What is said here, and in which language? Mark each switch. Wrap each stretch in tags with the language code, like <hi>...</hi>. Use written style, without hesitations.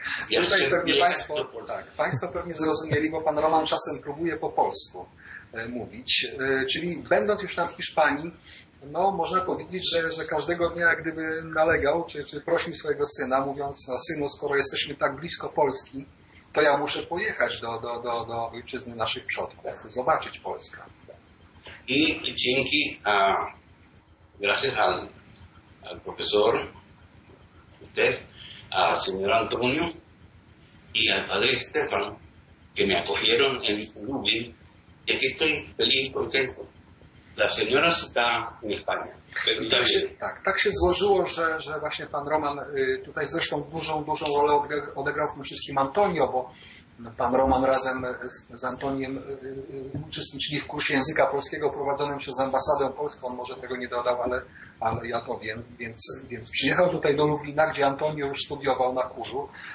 <pl>Ja tutaj pewnie państwo, tak, państwo pewnie zrozumieli, bo pan Roman czasem próbuje po polsku mówić. Czyli będąc już tam w Hiszpanii, no można powiedzieć, że każdego dnia jak gdyby nalegał, czy prosił swojego syna, mówiąc, no synu, skoro jesteśmy tak blisko Polski, to ja muszę pojechać do ojczyzny naszych przodków, zobaczyć Polskę. I dzięki,</pl> <es>gracias al profesor, usted, a señor Antonio y al padre Estefan, que me acogieron en Lublin, y aquí estoy feliz y contento. La señora está en España.</es> <pl>Tak się złożyło, że właśnie pan Roman tutaj zresztą dużą rolę odegrał w tym wszystkim Antonio, bo pan Roman razem z Antoniem uczestniczyli w kursie języka polskiego prowadzonym przez ambasadę polską. On może tego nie dodał, ale ja to wiem. Więc przyjechał tutaj do Lublina, gdzie Antonio już studiował na kursu.</pl>